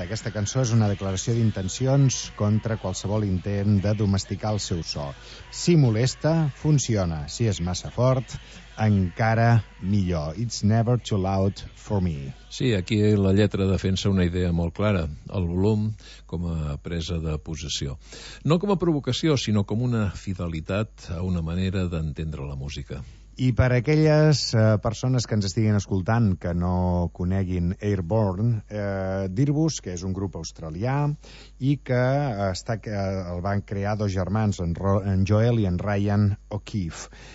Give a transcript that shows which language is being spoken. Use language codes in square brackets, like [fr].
[ca] Aquesta cançó és una declaració d'intencions contra qualsevol intent de domesticar el seu so. Si molesta, funciona. Si és massa fort, encara millor. [en] It's never too loud for me. [ca] Sí, aquí la lletra defensa una idea molt clara. El volum com a presa de possessió. No com a provocació, sinó com una fidelitat a una manera d'entendre la música. I per a aquelles persones que ens estiguin escoltant que no coneguin Airborne, dir-vos que és un grup australià i que el van crear dos germans, en Joel i en Ryan O'Keefe.